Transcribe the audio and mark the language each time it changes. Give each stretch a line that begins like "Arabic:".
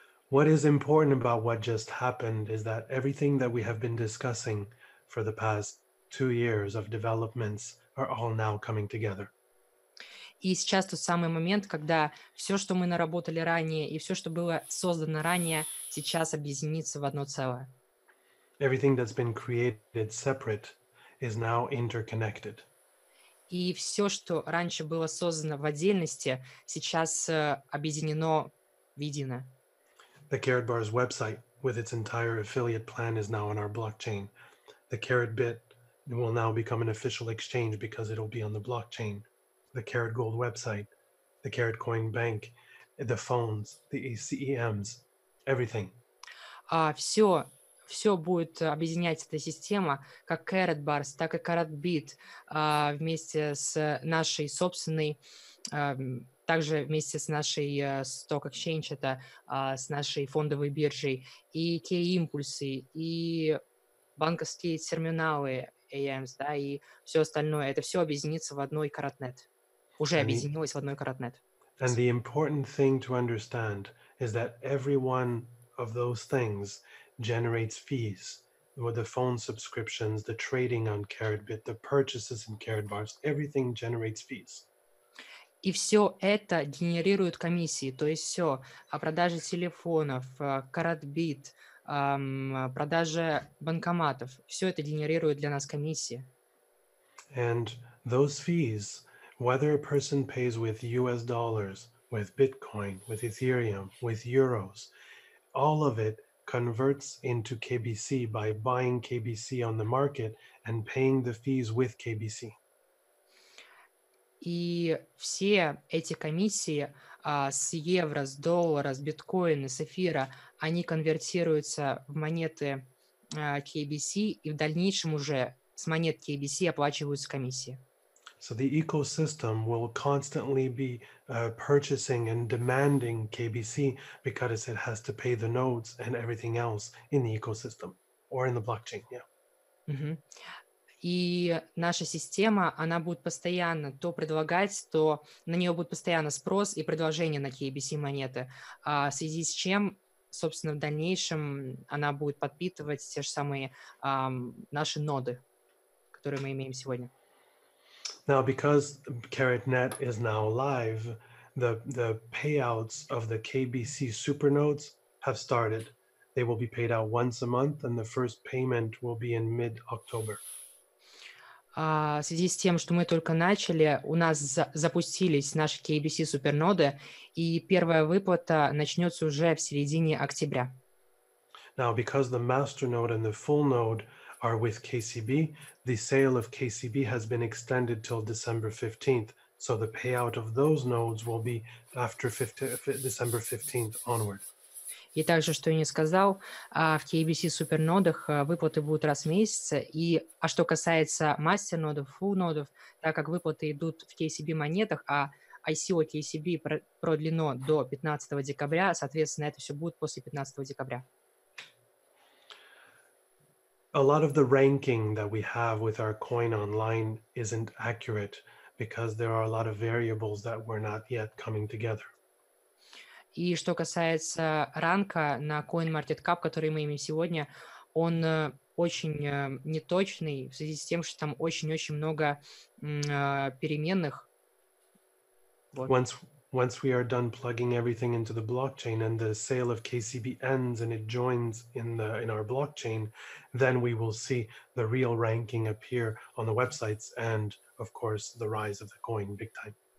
English: What is important about what just happened is that everything that we have been discussing for the past 2 years of developments are all now coming together.
Russian: И сейчас тот самый момент, когда все, что мы наработали ранее, и все, что было создано ранее, сейчас объединится в одно целое.
English: Everything that's been created separate is now interconnected.
Russian: И все, что раньше было создано в отдельности, сейчас объединено в единое.
English: The CaretBars website with its entire affiliate plan is now on our blockchain. The CaretBit will now become an official exchange because it'll be on the blockchain. The CaretGold website, the Karat Coin Bank, the phones, the ECMs, everything.
Russian: Все будет объединять эта система, как Karat Bars, так и Karat Bit, вместе с нашей собственной, также вместе с нашей Stock Exchange, это с нашей фондовой биржей, и K-импульсы, и банковские терминалы AMS, да, и все остальное. Это все объединится в одной Karatnet. Объединилось в одной Karatnet.
English: And the important thing to understand is that every one of those things generates fees, with the phone subscriptions, the trading on Karatbit, the purchases in Karatbars, everything generates fees.
Russian: И все это генерирует комиссии, то есть все, а продажи телефонов, Karatbit, продажи банкоматов, все это генерирует для нас комиссии.
English: And those fees, whether a person pays with US dollars, with Bitcoin, with Ethereum, with euros, all of it converts into KBC by buying KBC on the market and paying the fees with KBC.
Russian: И все эти комиссии с евро, с доллара, с биткоина, с эфира, они конвертируются в монеты KBC, и в дальнейшем уже с монет KBC оплачиваются комиссии.
English: So the ecosystem will constantly be purchasing and demanding KBC because it has to pay the nodes and everything else in the ecosystem or in the blockchain, yeah. Mm-hmm.
Russian: И наша система, она будет постоянно то предлагать, то на нее будет постоянно спрос и предложение на KBC монеты, в связи с чем, собственно, в дальнейшем она будет подпитывать те же самые наши ноды, которые мы имеем сегодня.
English: Now, because Karatnet is now live, the payouts of the KBC supernodes have started. They will be paid out once a month, and the first payment will be in mid-October.
Russian: В связи с тем, что мы только начали, у нас запустились наши KBC суперноды, и первая выплата начнется уже в середине октября.
English: Now, because the masternode and the full node are with KCB, the sale of KCB has been extended till December 15th, so the payout of those nodes will be after December 15th onward.
Russian: И также, что я не сказал, в KBC супернодах выплаты будут раз в месяц, и, а что касается мастернодов, фулнодов, так как выплаты идут в KCB монетах, а ICO KCB продлено до 15 декабря, соответственно, это все будет после 15 декабря.
English: A lot of the ranking that we have with our coin online isn't accurate because there are a lot of variables that were not yet coming together.
Russian: И что касается ранка на CoinMarketCap, который мы имеем сегодня, он очень неточный в связи с тем, что там очень-очень много переменных. Вот.
English: Once we are done plugging everything into the blockchain and the sale of KCB ends and it joins in our blockchain, then we will see the real ranking appear on the websites and, of course, the rise of the coin big time.